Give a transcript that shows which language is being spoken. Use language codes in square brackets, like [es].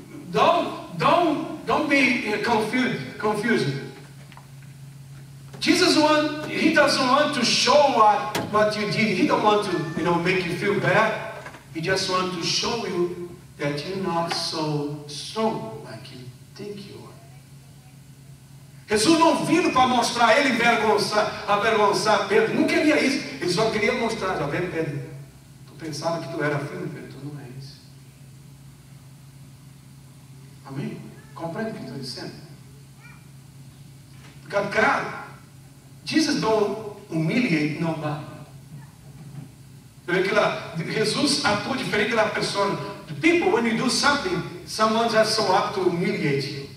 [en] Don't be confused. Jesus he doesn't want to show what you did. He don't want to, you know, make you feel bad. He just wants to show you that you're not so strong like you think you. [pt] Jesus não vindo para mostrar ele avergonçar Pedro. Não queria isso. Ele só queria mostrar. Já vem, Pedro. Tu pensava que tu era filho, Pedro. Tu não é isso. Amém? Compreende o que estou dizendo? Porque, claro, Jesus não humilha e não bate. Jesus atua diferente da pessoa. [en] The people, when you do something, someone just so up to humiliate you.